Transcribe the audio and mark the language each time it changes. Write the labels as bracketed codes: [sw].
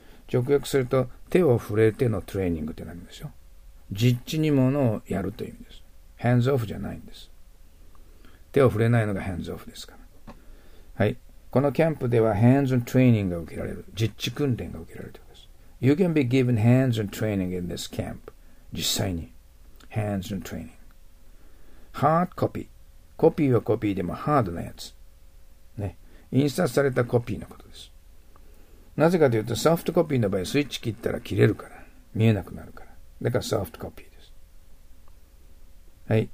[ja] 直訳すると、手を触れてのトレーニングってなるんですよ。実地にものをやるという意味です。 [en] Hands off [ja] じゃないんです。手を触れないのがハンズオフですから。はい。このキャンプではハンズオントレーニングが受けられる。実地訓練が受けられるということです。 [en] You can be given hands on training in this camp. [ja] 実際に。ハンズオントレーニング。ハードコピー。コピーはコピーでもハードなやつ。ね。印刷されたコピーのことです。なぜかというとソフトコピーの場合スイッチ切ったら切れるから。見えなくなるから。だからソフトコピーです。はい。